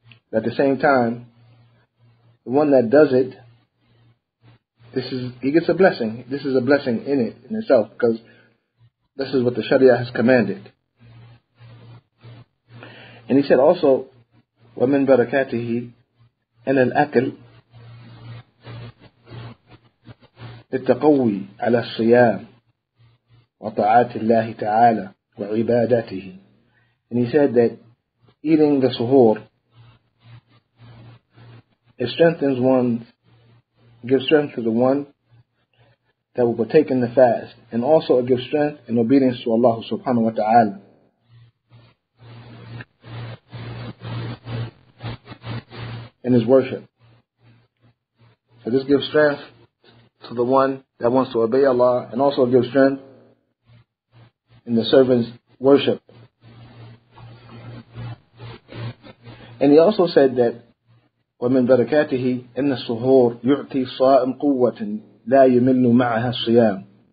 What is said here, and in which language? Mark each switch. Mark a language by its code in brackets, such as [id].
[en] But at the same time, the one that does it, he gets a blessing. This is a blessing in it, in itself, because this is what the Sharia has commanded. And he said also, [ar] وَمِن بَرَكَاتِهِ إلى الأكل للتقوي على الصيام وطاعة الله تعالى وعبادته. [en] And he said that eating the suhoor, it strengthens one, gives strength to the one that will partake in the fast, and also it gives strength and obedience to Allah subhanahu wa ta'ala. And his worship. So this gives strength to the one that wants to obey Allah, and also gives strength in the servant's worship. And he also said that [ar] وَمِنْ بَرَكَاتِهِ إِنَّ السُّهُورِ يُعْتِي صَائِمْ قُوَّةٍ لَا يُمِلُّ مَعَهَا الصِّيَامِ.